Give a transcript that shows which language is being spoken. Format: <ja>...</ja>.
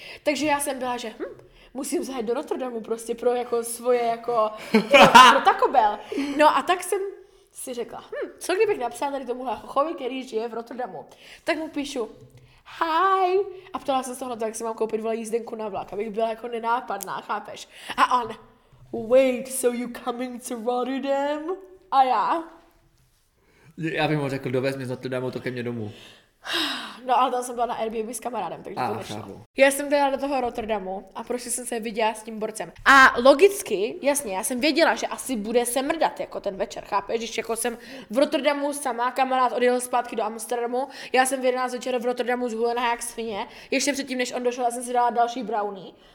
<cs>Takže já jsem byla, že musím zajet do Rotterdamu prostě pro jako svoje jako pro Taco Bell. No a tak jsem si řekla, co kdybych napsala tady tomuhle chochovi, který žije v Rotterdamu. Tak mu píšu, hi. A ptala jsem se ho na to, jak si mám koupit vole jízdenku na vlak, abych byla jako nenápadná, chápeš? A on,</cs> <en>wait, so you coming to Rotterdam?</en> <cs>A já? Já bych mu řekl, dovez mě z Rotterdamu, to ke mně domů. No ale tam jsem byla na Airbnb s kamarádem, takže to nešlo. Já jsem teda do toho Rotterdamu a prostě jsem se viděla s tím borcem. A logicky, jasně, já jsem věděla, že asi bude se mrdat jako ten večer, chápeš? Když jako jsem v Rotterdamu sama, kamarád odjel zpátky do Amsterdamu, já jsem v 11 večer v Rotterdamu zhulená jak svině, ještě předtím, než on došel, já jsem si dala další brownie.</cs>